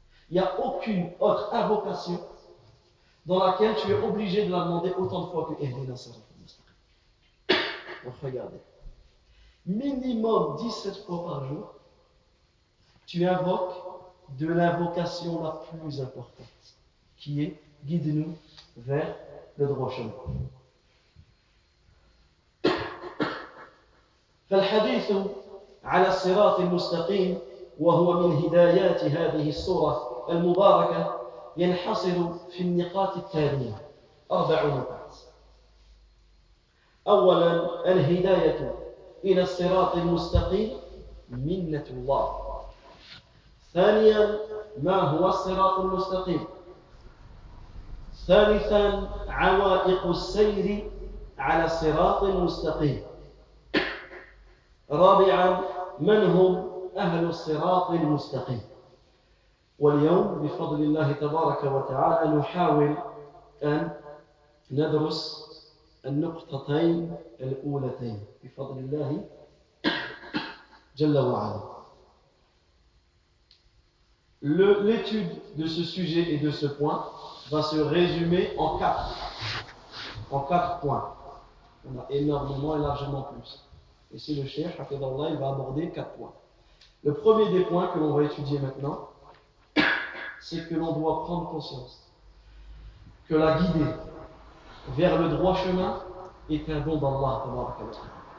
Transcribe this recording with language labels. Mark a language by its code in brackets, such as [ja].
[fr] Il n'y a aucune autre invocation dans laquelle tu es obligé de la demander autant de fois que Ihdina Sirat al-Mustaqim. Donc regardez. Minimum 17 fois par jour, tu invoques de l'invocation la plus importante, qui est guide-nous vers le droit chemin. [ar] فالحديث على الصراط المستقيم وهو من هدايات هذه السورة المباركة ينحصر في النقاط التالية أربع نقاط. أولا الهداية إلى الصراط المستقيم منة الله. ثانيا ما هو الصراط المستقيم. ثالثا عوائق السير على الصراط المستقيم. رابعا من هم أهل الصراط المستقيم. واليوم بفضل الله تبارك وتعالى نحاول أن ندرس النقطتين الأولتين بفضل الله جل وعلا. [fr] L'étude de ce sujet et de ce point va se résumer en quatre points. On a énormément et largement plus. Ici, le cheikh, Hafidhallah, il va aborder quatre points. Le premier des points que l'on va étudier maintenant, c'est que l'on doit prendre conscience que la guider vers le droit chemin est un don d'Allah, tabaraka wa ta'ala.